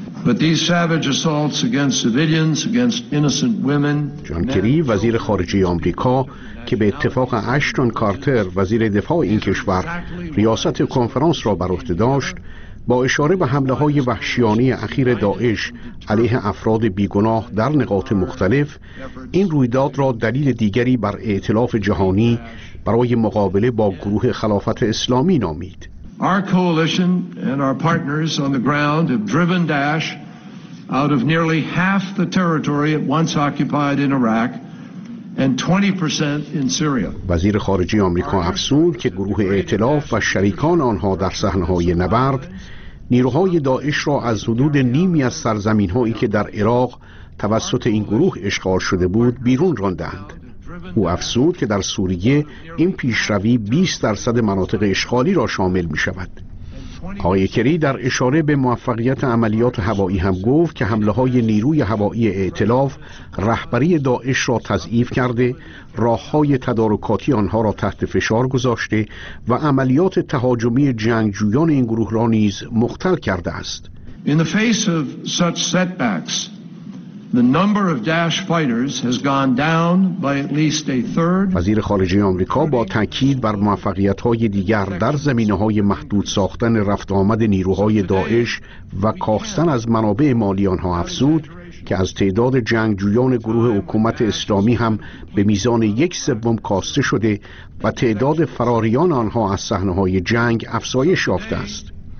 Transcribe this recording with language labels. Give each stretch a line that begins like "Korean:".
English: But these savage assaults against civilians, against innocent women.
Persian: جان کری وزیر خارجه آمریکا که به اتفاق اشتون کارتر وزیر دفاع این کشور ریاست کنفرانس را بر عهده داشت، با اشاره به حمله های وحشیانه اخیر داعش علیه افراد بیگناه در نقاط مختلف، این رویداد را دلیل دیگری بر ائتلاف جهانی برای مقابله با گروه خلافت اسلامی نامید.
English: Our coalition and our partners on the ground have driven Daesh out of nearly half the territory it once occupied in Iraq and 20% in Syria.
Persian: وزیر خارجه آمریکا افزود که گروه ائتلاف و شریکان آنها در صحنه‌های نبرد نیروهای داعش را از حدود نیمی از سرزمین‌هایی که در عراق توسط این گروه اشغال شده بود بیرون راندند. او افزود که در سوریه این پیشروی 20% مناطق اشغالی را شامل می شود. آقای کری در اشاره به موفقیت عملیات هوایی هم گفت که حمله های نیروی هوایی ائتلاف رهبری داعش را تضعیف کرده، راه های تدارکاتی آنها را تحت فشار گذاشته و عملیات تهاجمی جنگجویان این گروه را نیز مختل کرده است.
English: In the face of such setbacks, the number of Daesh fighters has gone down by at least a third.
Persian: وزیر خارجه آمریکا با تاکید بر موفقیت‌های دیگر در زمینه‌های محدود ساختن رفت آمد نیروهای داعش و کاستن از منابع مالی آنها افزود که از تعداد جنگجویان گروه حکومت اسلامی هم به میزان 1/3 کاسته شده و تعداد فراریان آنها از صحنه‌های جنگ افزایش یافته است.